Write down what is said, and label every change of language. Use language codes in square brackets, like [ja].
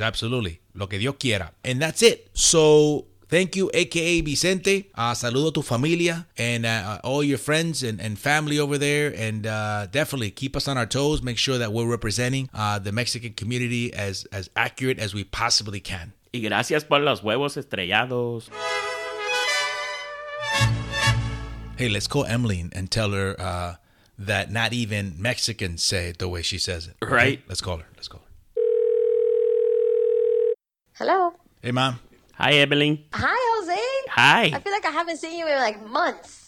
[en] Absolutely. [es] Lo que Dios quiera. [en] And that's it. So thank you, AKA Vicente. [es] Saludo tu familia [en] and all your friends and family over there. And definitely keep us on our toes. Make sure that we're representing the Mexican community as accurate as we possibly can. [es] Y gracias por los huevos estrellados. [en] Hey, let's call Emily and tell her that not even Mexicans say it the way she says it. Okay? Right. Let's call her. Hello. Hey, Mom. Hi, Emily. Hi, Jose. Hi. I feel like I haven't seen you in like months.